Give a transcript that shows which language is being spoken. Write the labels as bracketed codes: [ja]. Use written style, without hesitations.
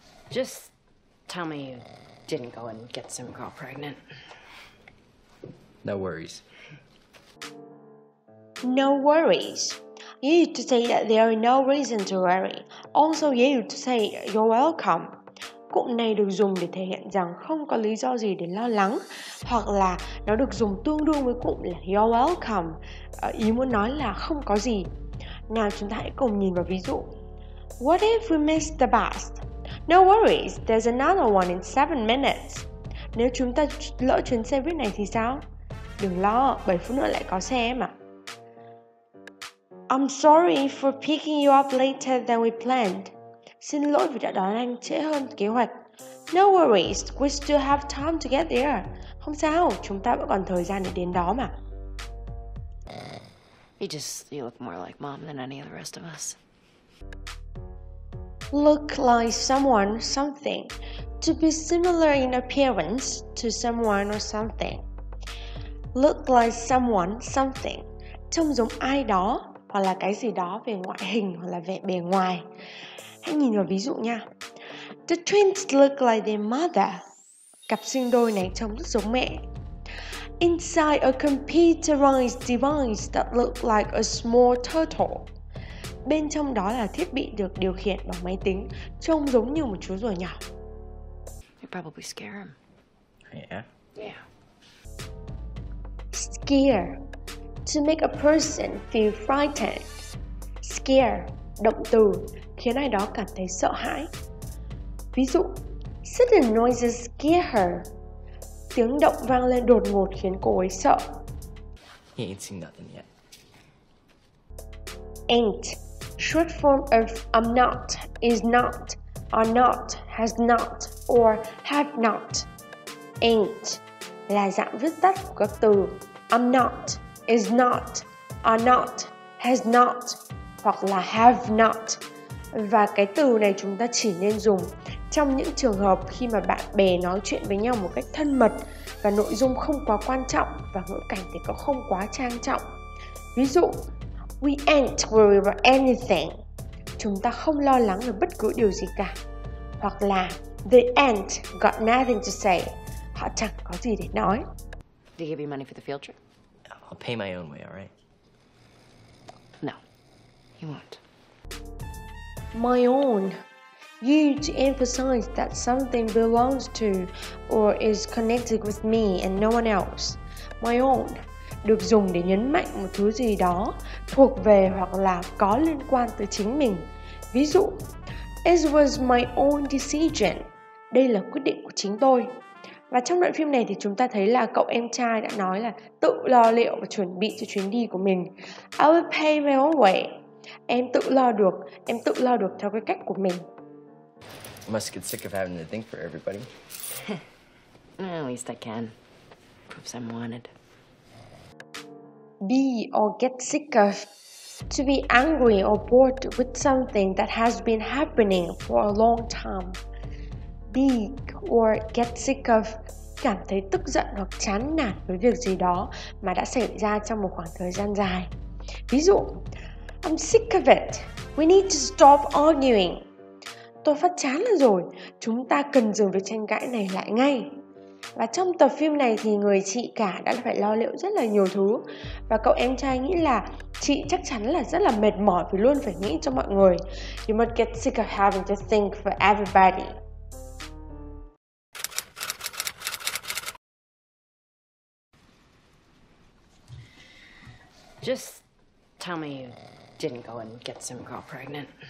[en] Just tell me you didn't go and get some girl pregnant. No worries. No worries. You need to say that there are no reason to worry. Also, you need to say you're welcome. [vi] Cụm này được dùng để thể hiện rằng không có lý do gì để lo lắng, hoặc là nó được dùng tương đương với cụm là [en] you're welcome, [vi] ý muốn nói là không có gì. Nào, chúng ta hãy cùng nhìn vào ví dụ. [en] What if we miss the bus? No worries, there's another one in 7 minutes. [vi] Nếu chúng ta lỡ chuyến xe buýt này thì sao? Đừng lo, 7 phút nữa lại có xe em ạ. [en] I'm sorry for picking you up later than we planned. [vi] Xin lỗi vì đã đón anh trễ hơn kế hoạch. [en] No worries, we still have time to get there. [vi] Không sao, chúng ta vẫn còn thời gian để đến đó mà. [en] You look more like mom than any of the rest of us. Look like someone, something. To be similar in appearance to someone or something. Look like someone, something. [vi] Trông giống ai đó, hoặc là cái gì đó về ngoại hình hoặc là vẻ bề ngoài. Hãy nhìn vào ví dụ nha. [en] The twins look like their mother. [vi] Cặp sinh đôi này trông rất giống mẹ. [en] Inside a computerized device that looks like a small turtle. [vi] Bên trong đó là thiết bị được điều khiển bằng máy tính, trông giống như một chú rùa nhỏ. [en] You probably scare him. Yeah. Yeah. Scare. To make a person feel frightened. Scare. [vi] Động từ khiến ai đó cảm thấy sợ hãi. Ví dụ, [en] sudden noises scare her. [vi] Tiếng động vang lên đột ngột khiến cô ấy sợ. [en] He ain't seen nothing yet. Ain't, short form of I'm not, is not, are not, has not, or have not. [vi] Ain't là dạng viết tắt của các từ [en] I'm not, is not, are not, has not, [vi] hoặc là [en] have not. [vi] Và cái từ này chúng ta chỉ nên dùng trong những trường hợp khi mà bạn bè nói chuyện với nhau một cách thân mật và nội dung không quá quan trọng và ngữ cảnh thì cũng không quá trang trọng. Ví dụ, [en] we ain't worried about anything. [vi] Chúng ta không lo lắng về bất cứ điều gì cả. Hoặc là [en] they ain't got nothing to say. [vi] Họ chẳng có gì để nói. [en] Did you give you money for the field trip? I'll pay my own way, all right? My own. You need to emphasize that something belongs to or is connected with me and no one else. [vi] My own được dùng để nhấn mạnh một thứ gì đó thuộc về hoặc là có liên quan tới chính mình. Ví dụ, [en] it was my own decision. [vi] Đây là quyết định của chính tôi. Và trong đoạn phim này thì chúng ta thấy là cậu em trai đã nói là tự lo liệu và chuẩn bị cho chuyến đi của mình. [en] I will pay my own way. [vi] Em tự lo được, em tự lo được theo cái cách của mình. [en] You must get sick of having to think for everybody. Well, at least I can. Proves I'm wanted. Be or get sick of. To be angry or bored with something that has been happening for a long time. Be or get sick of. [vi] Cảm thấy tức giận hoặc chán nản với việc gì đó mà đã xảy ra trong một khoảng thời gian dài. Ví dụ, [en] I'm sick of it. We need to stop arguing. [vi] Tôi phát chán là rồi, chúng ta cần dừng việc tranh cãi này lại ngay. Và trong tập phim này thì người chị cả đã phải lo liệu rất là nhiều thứ. Và cậu em trai nghĩ là chị chắc chắn là rất là mệt mỏi vì luôn phải nghĩ cho mọi người. [en] You must get sick of having to think for everybody. Just tell me you didn't go and get some girl pregnant.